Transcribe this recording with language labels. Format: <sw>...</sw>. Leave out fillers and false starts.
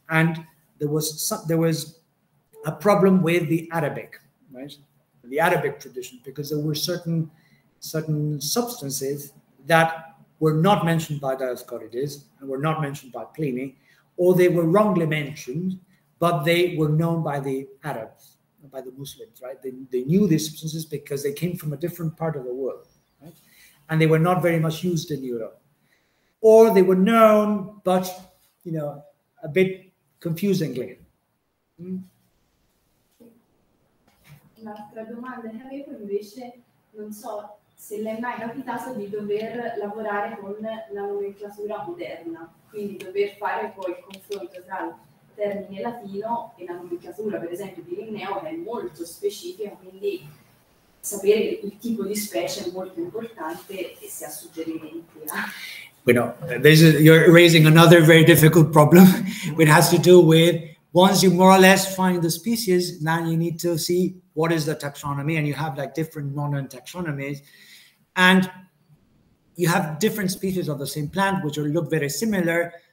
<en>And there was a problem with the Arabic, right? The Arabic tradition, because there were certain substances that were not mentioned by Dioscorides and were not mentioned by Pliny, or they were wrongly mentioned, but they were known by the Arabs, by the Muslims, right? They knew these substances because they came from a different part of the world, right? And they were not very much used in Europe. Or they were known, but, you know, a bit confusingly.</en> <it>Un'altra domanda che avevo invece, non so se le è mai capitato di dover lavorare con la nomenclatura moderna, quindi dover fare poi il confronto tra il termine latino e la nomenclatura, per esempio, di Linneo, che è molto specifica, quindi sapere il tipo di specie è molto importante e se ha suggerimenti.</it> <en>Bueno, you're raising another very difficult problem, which has to do with, once you more or less find the species, now you need to see what is the taxonomy, and you have like different modern taxonomies, and you have different species of the same plant which look very similar.</en>